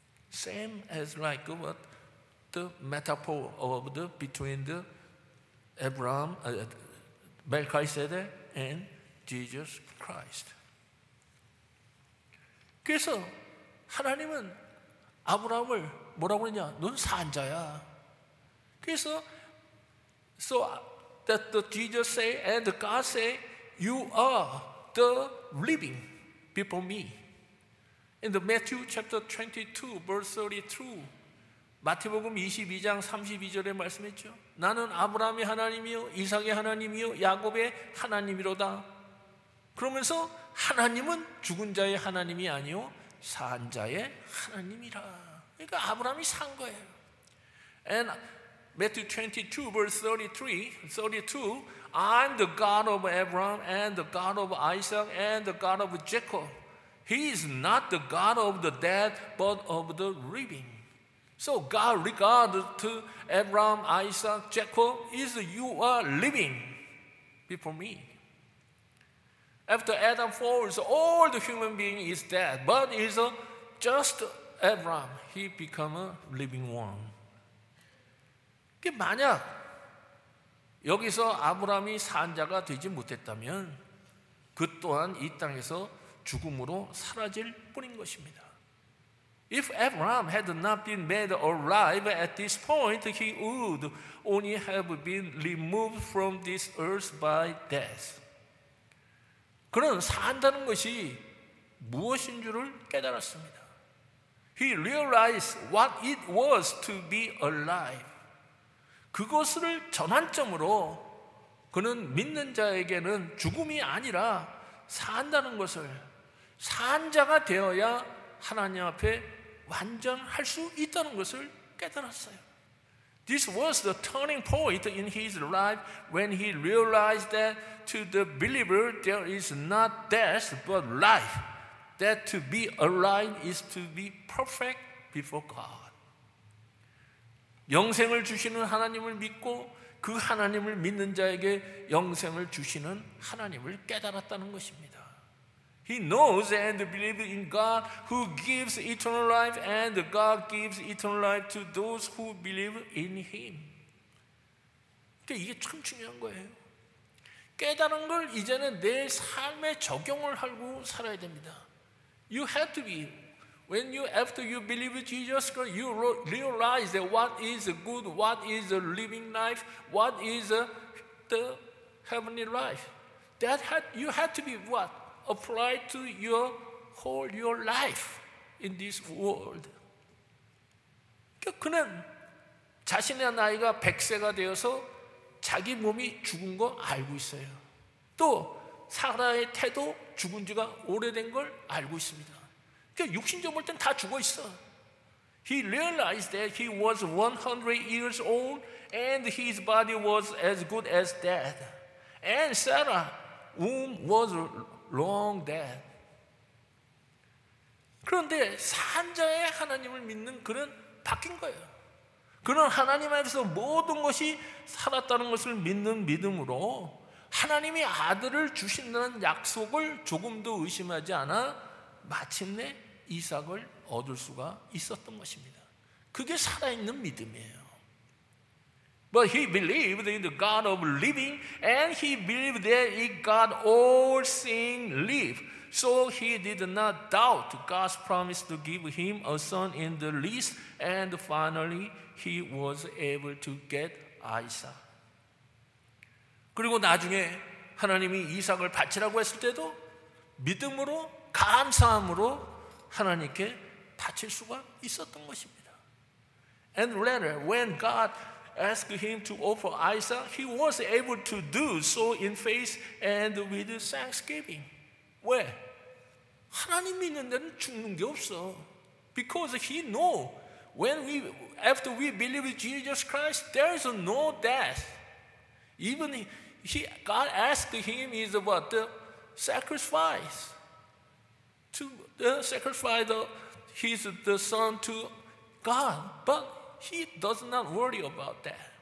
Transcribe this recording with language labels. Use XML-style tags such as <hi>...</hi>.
<en>Same as like what the metaphor of the between the Abraham Melchizedek and Jesus Christ.</en> <ko>그래서 하나님은 아브라함을 뭐라고 그러냐? 넌 산자야. 그래서</ko> <en>so that the Jesus say and God say you are the living before me. In the Matthew chapter 22 verse 32.</en> <ko>마태복음 22장 32절에 말씀했죠. 나는 아브라함의 하나님이요 이삭의 하나님이요 야곱의 하나님이로다. 그러면서 하나님은 죽은 자의 하나님이 아니요 산 자의 하나님이라. 그러니까 아브라함이 산 거예요.</ko> <en>And Matthew 22 verse 32, I'm the God of Abraham and the God of Isaac and the God of Jacob. He is not the God of the dead but of the living. So God regarded to Abraham, Isaac, Jacob is you are living before me. After Adam falls, all the human being is dead, but is just Abraham. He become a living one.</en> <ko>그게 만약 여기서 아브라함이 산자가 되지 못했다면 그 또한 이 땅에서 죽음으로 사라질 뿐인 것입니다.</ko> <en>If Abraham had not been made alive at this point, he would only have been removed from this earth by death.</en> <ko>그는 산다는 것이 무엇인 줄을 깨달았습니다.</ko> <en>He realized what it was to be alive.</en> <ko>그것을 전환점으로 그는 믿는 자에게는 죽음이 아니라 산다는 것을 산 자가 되어야 하나님 앞에 완전할 수 있다는 것을 깨달았어요.</ko> <en>This was the turning point in his life when he realized that to the believer there is not death but life. That to be alive is to be perfect before God.</en> <ko>영생을 주시는 하나님을 믿고 그 하나님을 믿는 자에게 영생을 주시는 하나님을 깨달았다는 것입니다.</ko> <en>He knows and believes in God who gives eternal life and God gives eternal life to those who believe in him.</en> <ko>이게 참 중요한 거예요. 깨달은 걸 이제는 내 삶에 적용을 하고 살아야 됩니다.</ko> <en>You have to be. When you, after you believe in Jesus Christ, you realize that what is good, what is a living life, what is the heavenly life. That had, you have to be what? Apply to your whole your life in this world.</en> <ko>그는 자신의 나이가 100세가 되어서 자기 몸이 죽은 거 알고 있어요. 또 사라의 태도 죽은 지가 오래된 걸 알고 있습니다. 육신적으로 볼 땐 다 죽어 있어.</ko> <en>He realized that he was 100 years old and his body was as good as dead. And Sarah's womb was long dead.</en> <ko>그런데 산 자의 하나님을 믿는 그는 바뀐 거예요. 그는 하나님 앞에서 모든 것이 살았다는 것을 믿는 믿음으로 하나님이 아들을 주신다는 약속을 조금도 의심하지 않아 마침내 이삭을 얻을 수가 있었던 것입니다. 그게 살아있는 믿음이에요.</ko> <en>But he believed in the God of living and he believed that in God all things live. So he did not doubt God's promise to give him a son in the least and finally he was able to get Isaac.</en> <ko>그리고 나중에 하나님이 이삭을 바치라고 했을 때도 믿음으로 감사함으로 하나님께 바칠 수가 있었던 것입니다.</ko> <en>And later, when God asked him to offer Isaac, he was able to do so in faith and with thanksgiving.</en> <ko>왜? 하나님 믿는 데는 죽는 게 없어.</ko> <en>Because he know when we after we believe in Jesus Christ, there is no death. Even he, God asked him is about the sacrifice. To sacrifice his the son to God, but he does not worry about that.</en>